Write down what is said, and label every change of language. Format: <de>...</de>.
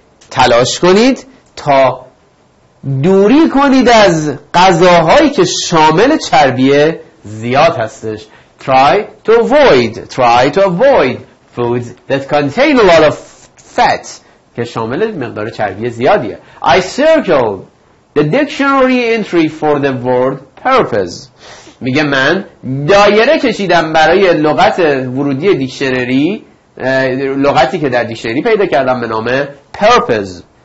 <fa>تلاش کنید تا دوری کنید از غذاهایی که شامل چربی زیاد هستش.</fa> <en>Try to avoid foods that contain a lot of fat.</en> <fa>که شامل مقدار چربی زیادیه.</fa> <en>I circled the dictionary entry for the word purpose.</en> <fa>میگه من دایره کشیدم برای لغت ورودی دیکشنری، لغتی که در دیکشنری پیدا کردم به نام purpose.</fa>